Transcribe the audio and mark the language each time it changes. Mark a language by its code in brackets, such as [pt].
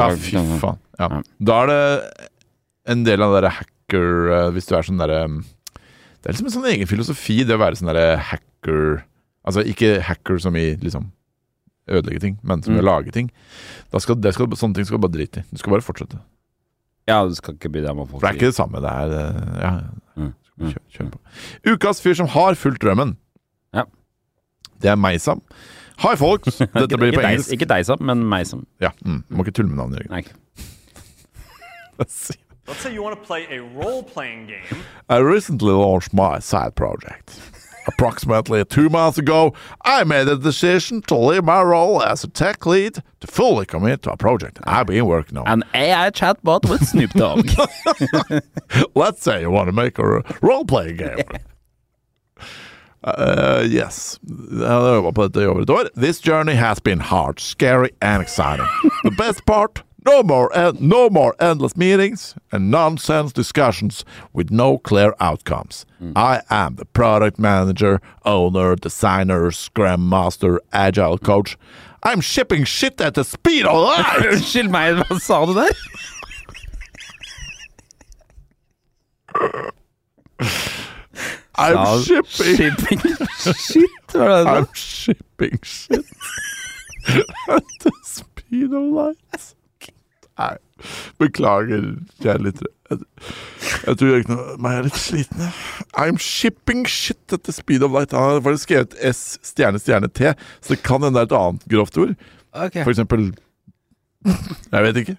[no] Ja, fy faen ja. Da er det en del av det der hacker, hvis du sånn der, det liksom en sånn egen filosofi, det å være sånn der hacker, altså ikke hacker som I liksom ødelegge ting, men som å lage ting, da skal, det skal, sånne ting skal bare drite I, du skal bare fortsette. Ja, du skal ikke bli der med folk. For det ikke det samme, det ja, kjør på. Ukas fyr som har fulgt drømmen. Ja. Det meg som. [en] Hi folks, [no] dette blir på ikke engelsk. Deg, ikke deg som, men meg som. Ja, må ikke tulle med navnet, Jørgen. Nei. [en] Let's say you want to play a role-playing game. I recently launched my side project. Approximately 2 months ago, I made a decision to leave my role as a tech lead to fully commit to a project I've been working on. An AI chatbot with Snoop Dogg. Let's say you want to make a role-playing game. Yes. This journey has been hard, scary, and exciting. The best part... No more endless meetings and nonsense discussions with no clear outcomes. Mm. I am the product manager, owner, designer, scrum master, agile coach. I'm shipping shit at the speed of light. [no] Unnskyld meg, hva sa du der? [en] I'm shipping. Shipping shit. I'm shipping shit at the speed of light. [no] Nei, beklager, kjære lytter. Jeg tror ikke noe, men jeg litt sliten. [en] I'm shipping shit at the speed of light. [no] Han har faktisk skrevet S, stjerne, stjerne, T, så det kan enda et annet grovt ord. Ok. For eksempel, jeg vet ikke.